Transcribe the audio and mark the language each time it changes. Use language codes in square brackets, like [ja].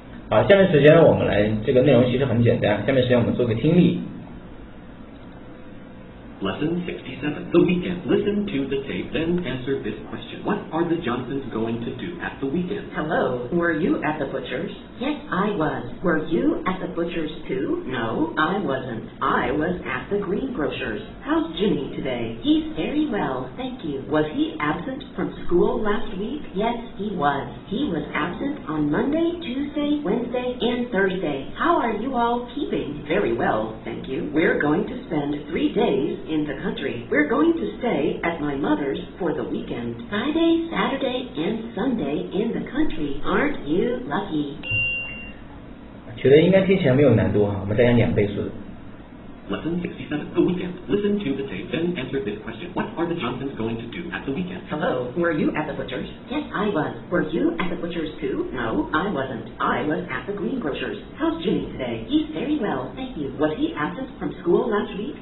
[zh] 好，下面时间我们来，这个内容其实很简单，下面时间我们做个听力。 [en] Lesson 67, the weekend. Listen to the tape, then answer this question. What are the Johnsons going to do at the weekend? Hello, were you at the butcher's? Yes, I was. Were you at the butcher's too? No, I wasn't. I was at the greengrocer's. How's Jimmy today? He's very well, thank you. Was he absent from school last week? Yes, he was. He was absent on Monday, Tuesday, Wednesday, and Thursday. How are you all keeping? Very well, thank you. We're going to spend 3 days in the country. We're going to stay at my mother's for the weekend. Friday, Saturday, and Sunday in the country. Aren't you lucky? [zh] 觉得应该听起来没有难度啊，我们再加两倍速的。 [en] Lesson 67, the weekend. Listen to the tape, then answer this question. What are the Johnsons going to do at the weekend? Hello, were you at the butcher's? Yes, I was. Were you at the butcher's too? No, I wasn't. I was at the greengrocer's. How's Jimmy today? He's very well, thank you. Was he absent from school last week?